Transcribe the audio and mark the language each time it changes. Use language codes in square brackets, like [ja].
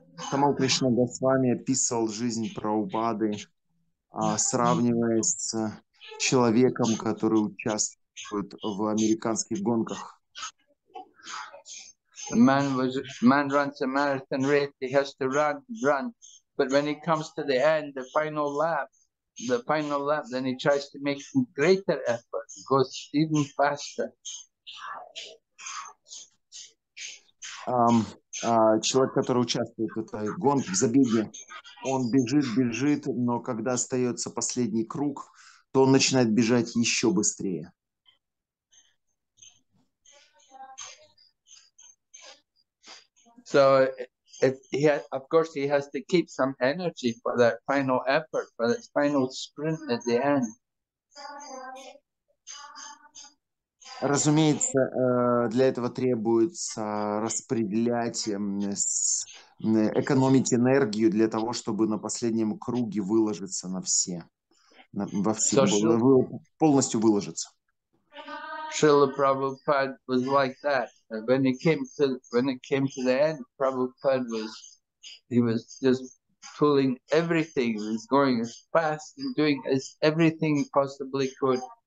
[ru] Tamal Krishna Goswami описывал жизнь Прабхупады, сравнивая с человеком, который участвует в американских гонках. [en] The man runs a marathon race, he has to run. But when he comes to the end, the final lap, then he tries to make greater effort, goes even faster. [ru] Человек, который участвует в этой гонке, в забеге, он бежит, но когда остается последний круг, то он начинает бежать еще быстрее. [en] So, of course, he has to keep some energy for that final effort, for that final sprint at the end. [ru] Разумеется, для этого требуется распределять, экономить энергию для того, чтобы на последнем круге выложиться на все, во все, полностью выложиться. [en] Srila Prabhupada was like that. When it came to the end, Prabhupada was just pulling everything. He was going as fast and doing as everything he possibly could.